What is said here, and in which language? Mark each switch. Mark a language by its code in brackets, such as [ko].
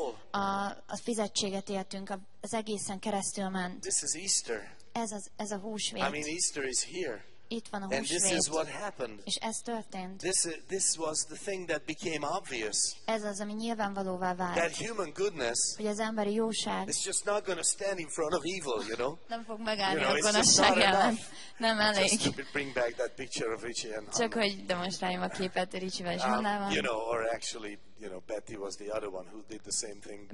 [hu] a fizetséget értünk az egészen keresztül ment. [en] This is Easter. [hu] Ez, az, ez a húsvét. [en] I mean, Easter is here. [hu] Itt van a húsvét. [en] And this is what happened. [hu] És ez történt. [en] This was the thing that became obvious. [hu] Ez az, ami nyilvánvalóvá vált. [en] That human goodness. [hu] Hogy az emberi jóság. [en] It's just not going to stand in front of evil, you know. [hu] Nem fog megállni a gonoszság ellen. Nem elég. [en] Just to bring back that picture of Richie and [hu] csak hogy demonstráljam a képet Richie-vel és Hannával. [en] You know, or actually, you know, Betty was the other one who did the same thing.